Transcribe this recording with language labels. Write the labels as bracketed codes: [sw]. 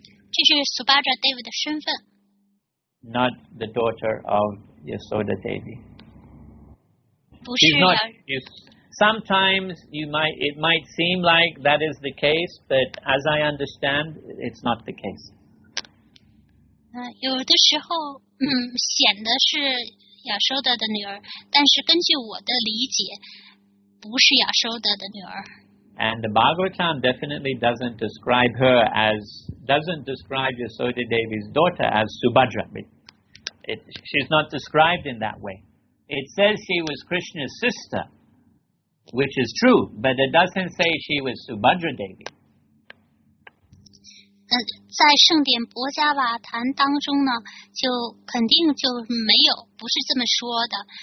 [zh] 这是 Subhadra Devi 的身份。 [en] Not the daughter of Yasoda Devi. [zh] 不是。 [en] She's not, sometimes you might, it might seem like that is the case, but as I understand, it's not the case. [zh] 有的时候，显得是亚瑟德的女儿，但是根据我的理解，不是亚瑟德的女儿。 [en] And the Bhagavatam definitely doesn't describe her as, doesn't describe Yasoda Devi's daughter as Subhadra. She's not described in that way. It says she was Krishna's sister, which is true, but it doesn't say she was Subhadra Devi. [zh] 在圣典博迦瓦坛当中呢，就肯定就没有，不是这么说的。